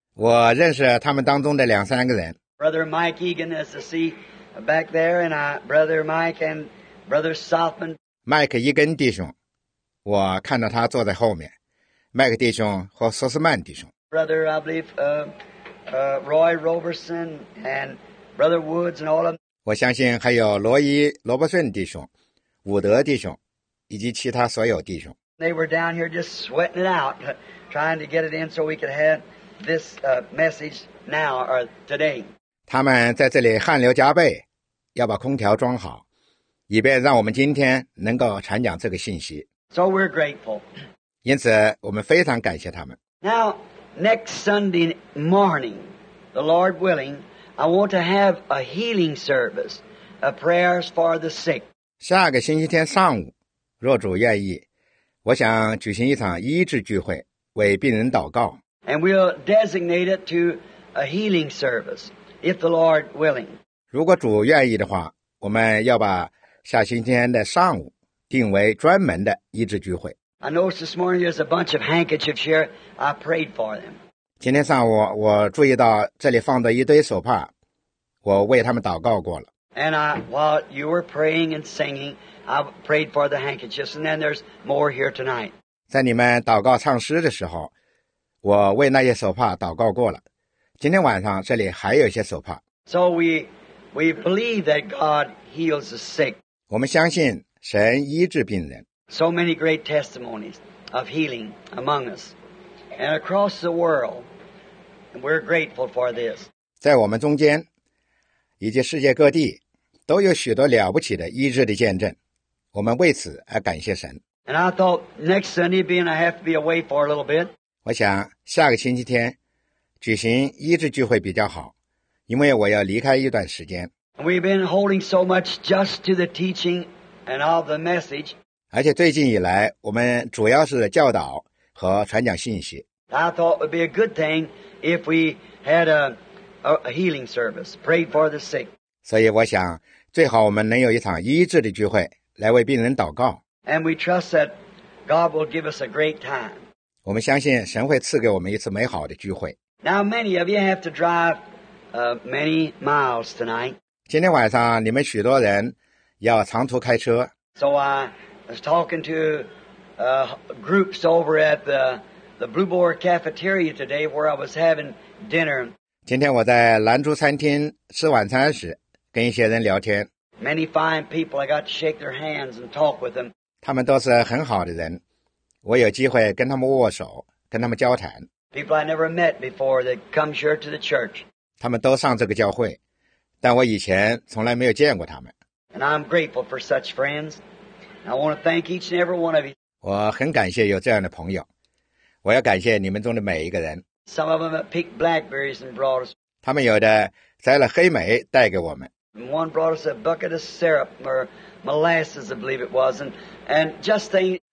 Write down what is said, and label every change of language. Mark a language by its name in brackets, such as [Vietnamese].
[Chinese] 我认识他们当中的两三个人。 [English] Brother Mike Egan is the seat back there, and Brother Mike and Brother Southman. [Chinese] 麦克伊根弟兄,我看到他坐在后面,麦克弟兄和索斯曼弟兄。 [English] Brother, I believe, Roy Roberson and Brother Woods and all of them. [Chinese] 我相信还有罗伊罗伯逊弟兄,伍德弟兄,以及其他所有弟兄。 [English] They were down here just sweating it out, trying to get it in so we could have this message now or today. [Chinese] 他们在这里汗流浃背,要把空调装好。以便让我们今天能够传讲这个信息。 [English] So we're grateful. [Chinese] 因此我们非常感谢他们。 [English] Now, next Sunday morning, the Lord willing, I want to have a healing service of prayers for the sick. [Chinese] 下个星期天上午，若主愿意，我想举行一场医治聚会，为病人祷告。 [English] And we'll designate it to a healing service, if the Lord willing. [Chinese] 如果主愿意的话，我们要把下星期天的上午定为专门的医治聚会。 [English] I noticed this morning there's a bunch of handkerchiefs here. I prayed for them. [Chinese] 今天上午我注意到这里放着一堆手帕，我为他们祷告过了。 [English] And I, while you were praying and singing, I prayed for the handkerchiefs, and then there's more here tonight. [Chinese] 在你们祷告唱诗的时候，我为那些手帕祷告过了。今天晚上这里还有一些手帕。 [English] So we believe that God heals the sick. [Chinese] 我们相信神医治病人。 [English] So many great testimonies of healing among us and across the world. We're grateful for this. [Chinese] 在我们中间以及世界各地都有许多了不起的医治的见证，我们为此而感谢神。 [English] And I thought next Sunday being I have to be away for a little bit. [Chinese] 我想下个星期天举行医治聚会比较好，因为我要离开一段时间。 [English] We've been holding so much just to the teaching and all the message. [Chinese] 而且最近以来，我们主要是教导和传讲信息。 [English] I thought it would be a good thing if we had a healing service, prayed for the sick. [Chinese] 所以我想，最好我们能有一场医治的聚会，来为病人祷告。 [English] And we trust that God will give us a great time. [Chinese] 我们相信神会赐给我们一次美好的聚会。 [English] Now many of you have to drive many miles tonight. [Chinese] 今天晚上你们许多人要长途开车。 [English] So I was talking to groups over at the Blue Boar Cafeteria today where I was having dinner. [Chinese] 今天我在蓝猪餐厅吃晚餐时跟一些人聊天。 [English] Many fine people, I got to shake their hands and talk with them. [Chinese] 他们都是很好的人，我有机会跟他们握手，跟他们交谈。 [English] People I never met before that come here to the church. [Chinese] 他们都上这个教会，但我以前从来没有见过他们。 [English] And I'm grateful for such friends. I want to thank each and every one of you. [Chinese] 我很感谢有这样的朋友，我要感谢你们中的每一个人。 [English] Some of them picked blackberries and brought us. [Chinese] 他们有的摘了黑莓带给我们。 [English] One brought us a bucket of syrup or molasses, I believe it was, and just things.